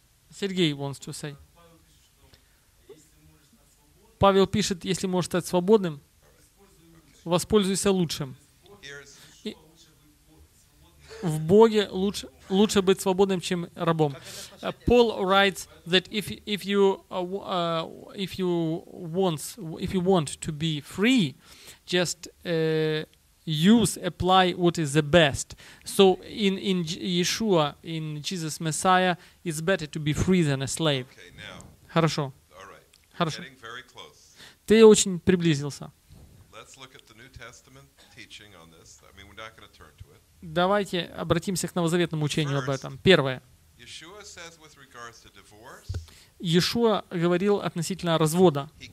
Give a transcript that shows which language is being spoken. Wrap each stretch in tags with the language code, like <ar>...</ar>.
<en>Сергей wants to say.</en> <ru>Павел пишет, если можешь стать свободным, воспользуйся лучшим. И в Боге лучше быть свободным, чем рабом.</ru> <en>Paul writes that if you want to be free, just use, apply what is the best. So in Yeshua, in Jesus Messiah, it's better to be free than a slave.</en> <ru>Хорошо. Хорошо.</ru> <en>Getting very close.</en> <ru>Ты очень приблизился.</ru> <en>Let's look at the New Testament teaching on this. I mean, we're not going to turn to it.</en> <ru>Давайте обратимся к новозаветному учению об этом. Первое.</ru> <en>Yeshua says with regards to divorce.</en> <ru>Иешуа говорил относительно развода.</ru>